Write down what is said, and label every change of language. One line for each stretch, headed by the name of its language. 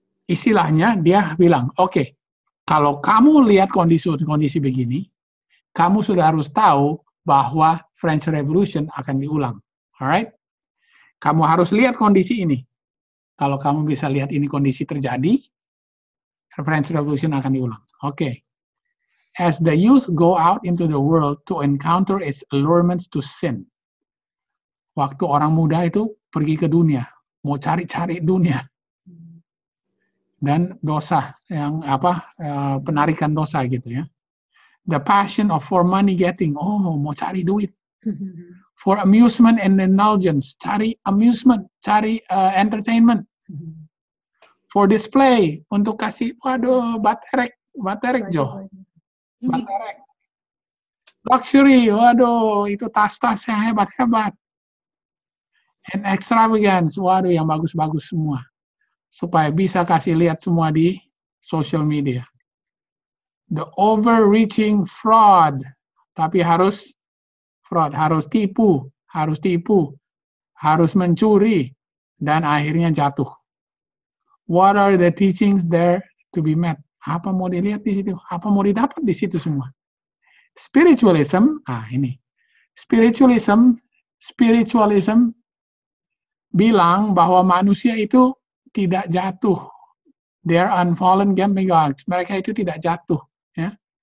Indonesian: Istilahnya dia bilang, oke, kalau kamu lihat kondisi-kondisi begini, kamu sudah harus tahu bahwa French Revolution akan diulang. Alright? Kamu harus lihat kondisi ini. Kalau kamu bisa lihat ini kondisi terjadi, French Revolution akan diulang. Oke. Okay.
English: As the youth go out into the world to encounter its allurements to sin.
Indonesian: Waktu orang muda itu pergi ke dunia, mau cari-cari dunia. Dan dosa yang apa? Penarikan dosa gitu ya.
English: The passion of for money getting, oh,
Indonesian: mau cari duit.
English: For amusement and indulgence,
Indonesian: cari amusement, cari entertainment.
English: For display,
Indonesian: untuk kasih, waduh, baterek Jo. Luxury, waduh, itu tas-tas yang hebat-hebat.
English: And extravagance,
Indonesian: waduh, yang bagus-bagus semua. Supaya bisa kasih lihat semua di social media.
English: The overreaching fraud,
Indonesian: tapi harus fraud, harus tipu, harus mencuri, dan akhirnya jatuh.
English: What are the teachings there to be met?
Indonesian: Apa mau dilihat di situ? Apa mau didapat di situ semua? Spiritualism, spiritualism bilang bahwa manusia itu tidak jatuh.
English: They are unfallen demigods.
Indonesian: Mereka itu tidak jatuh. Ya?